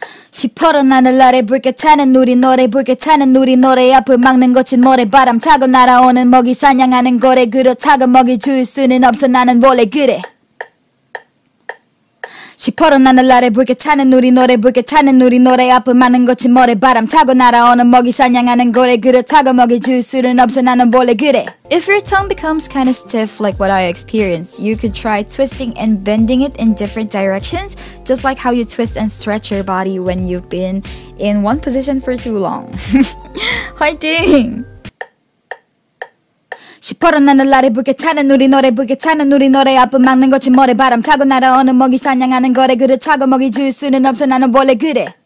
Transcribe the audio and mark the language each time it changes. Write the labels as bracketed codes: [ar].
[ko] 시퍼런 하늘 아래 붉게 차는 우리 노래 붉게 차는 우리 노래 앞을 막는 거친 모래바람 타고 날아오는 먹이 사냥하는 거래 그렇다고 먹이 줄 수는 없어 나는 원래 그래 시퍼런 하늘 아래 붉게 차는 우리 노래 붉게 차는 우리 노래 앞을 막는 거친 모래바람 타고 날아오는 먹이 사냥하는 거래 그렇다고 먹이 줄 수는 없어 나는 원래 그래 [en] If your tongue becomes kind of stiff like what I experienced, you could try twisting and bending it in different directions, just like how you twist and stretch your body when you've been in one position for too long. [ko] 화이팅! 시퍼런 하늘 아래 붉게 차는 우리 노래 붉게 차는 우리 노래 앞을 막는 거친 모래바람 타고 날아오는 먹이 사냥하는 거래 그렇다고 먹이 줄 수는 없어 나는 원래 그래